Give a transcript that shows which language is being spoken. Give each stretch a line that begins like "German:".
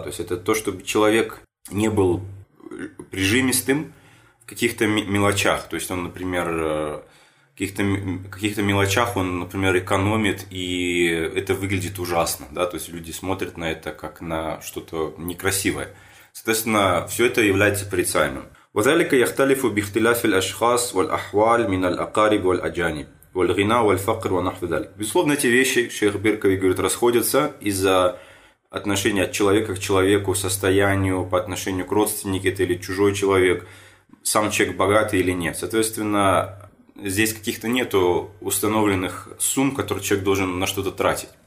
Russian: То есть это то, чтобы человек не был прижимистым в каких-то мелочах. То есть он, например, каких-то мелочах он, например, экономит, и это выглядит ужасно. Да? То есть люди смотрят на это как на что-то некрасивое. Соответственно, все это является порицаемым.
Arabic: وذلك يختلف باختلاف الأشخاص والأحوال من الأقارب والأجانب والغنى والفقر ونحو ذلك.
Russian: Безусловно, эти вещи, шейх Биркави говорит, расходятся из-за отношения от человека к человеку, состоянию, по отношению к родственнику это или чужой человек, сам человек богатый или нет. Соответственно, здесь каких-то нету установленных сумм, которые человек должен на что-то тратить.